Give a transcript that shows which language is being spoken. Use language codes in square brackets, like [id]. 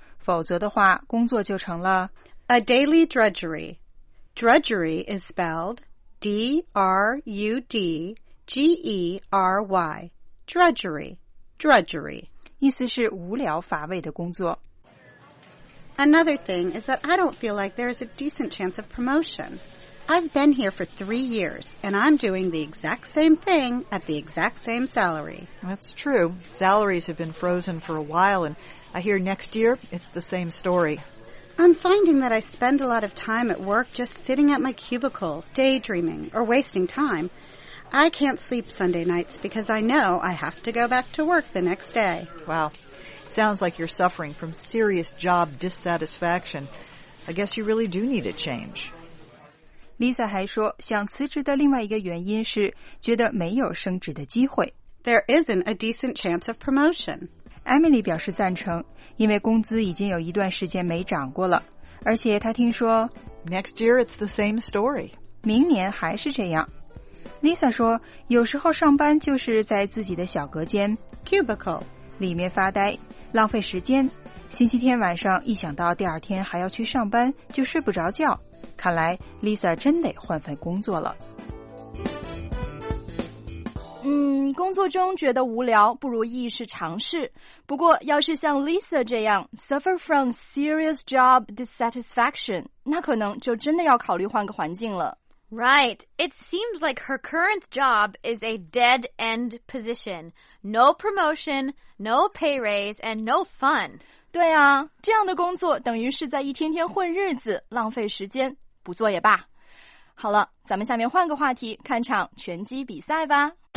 [zh] 否则的话，工作就成了 [en] a daily drudgery. Drudgery is spelled D-R-U-D-G-E-R-Y. Drudgery, drudgery. [zh] 意思是无聊乏味的工作。 [en] Another thing is that I don't feel like there is a decent chance of promotion. I've been here for 3 years, and I'm doing the exact same thing at the exact same salary. That's true. Salaries have been frozen for a while, and I hear next year it's the same story. I'm finding that I spend a lot of time at work just sitting at my cubicle, daydreaming, or wasting time. I can't sleep Sunday nights because I know I have to go back to work the next day. Wow. Sounds like you're suffering from serious job dissatisfaction. I guess you really do need a change. [zh] Lisa 还说，想辞职的另外一个原因是觉得没有升职的机会。 [en] There isn't a decent chance of promotion. [zh] Emily 表示赞成，因为工资已经有一段时间没涨过了，而且她听说 [en] Next year it's the same story. [zh] 明年还是这样。Lisa 说，有时候上班就是在自己的小隔间 [en] cubicle [zh] 里面发呆，浪费时间。星期天晚上一想到第二天还要去上班，就睡不着觉。看来 Lisa 真得换份工作了。嗯，工作中觉得无聊，不如一试尝试。不过，要是像 Lisa 这样 [en] suffer from serious job dissatisfaction， [zh] 那可能就真的要考虑换个环境了。 [en] Right. It seems like her current job is a dead end position. No promotion, no pay raise, and no fun. [zh] 对啊，这样的工作等于是在一天天混日子，浪费时间，不做也罢。好了，咱们下面换个话题，看场拳击比赛吧。